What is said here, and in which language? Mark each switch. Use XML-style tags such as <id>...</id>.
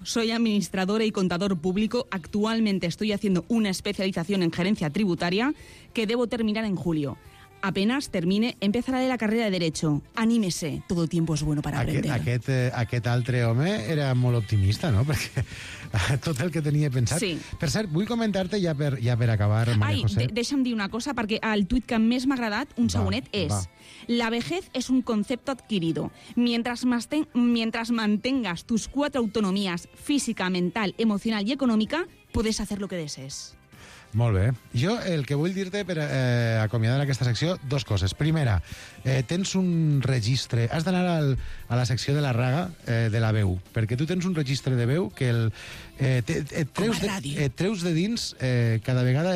<es>Soy administradora y contador público. Actualmente estoy haciendo una especialización en gerencia tributaria que debo terminar en julio. Apenas termine, empezaré la carrera de derecho. Anímese. Todo tiempo es bueno para aprender.</es> <ca>Aquest altre home era molt optimista, no? Perquè tot el que tenia pensat... Sí. Per cert, vull comentar-te ja per acabar, Maria Ai, José. Deixa'm dir una cosa, perquè el tuit que més m'ha agradat, un segonet, és... Va.</ca> <es>La vejez es un concepto adquirido. Mientras mantengas tus 4 autonomías, física, mental, emocional y económica, puedes hacer lo que desees.</es> <ca>Molt bé. Jo el que vull dir-te per acomiadar aquesta secció, dos coses. Primera, tens un registre. Has d'anar a la secció de la raga de la veu, perquè tu tens un registre de veu que el, treus de dins cada vegada.</ca>